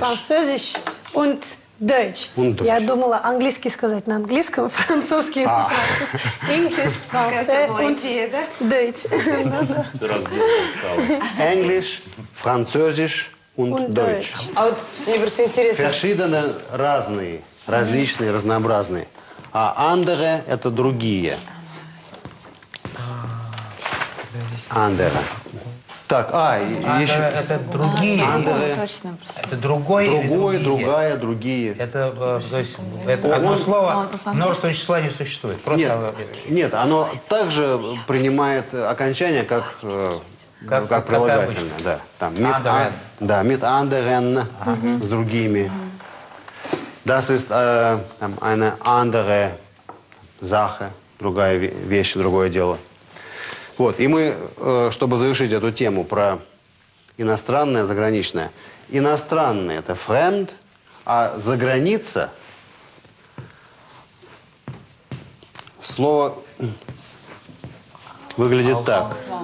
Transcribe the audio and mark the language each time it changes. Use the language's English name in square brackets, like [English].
[German] Französisch und Deutsch. Und Deutsch. [Russian] Я думала, английский сказать на английском, французский. [German] Englisch, Französisch und Deutsch. Englisch, Französisch und Deutsch. [Russian] А вот мне просто интересно. [German] Verschiedene, [Russian] разные. Различные, разнообразные. А [German] «andere» [Russian] – это «другие». [German] «Andere». [Russian] Так, еще… Это «другие». [German] «Andere». [Russian] Это «другой» или «другие». «Другая», «другие». Это, то есть, это одно слово, множественное число не существует. Просто нет, нет, оно также принимает окончание, как прилагательное. Как да, там, [German] «andere». [Russian] Да, [German] mit anderen, [Russian] с другими. [German] Das ist eine andere Sache, [Russian] другая вещь, другое дело. Вот, и мы, чтобы завершить эту тему про иностранное, заграничное. Иностранное – это [German] fremd, [Russian] а заграница – слово выглядит так.